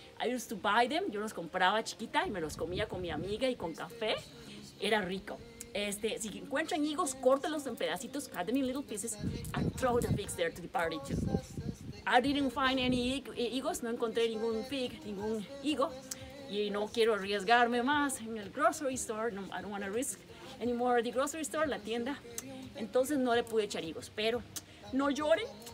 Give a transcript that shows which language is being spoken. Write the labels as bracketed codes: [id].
[en] I used to buy them, [es] yo los compraba chiquita y me los comía con mi amiga y con café. Era rico. Si encuentran higos, córtelos en pedacitos, [en] cut them in little pieces, and throw the figs there to the party too. I didn't find any higos, [es] no encontré ningún fig, ningún higo. Y no quiero arriesgarme más en el grocery store. [en] No, I don't want to risk anymore at the grocery store, [es] la tienda. Entonces no le pude echar higos, pero no lloren.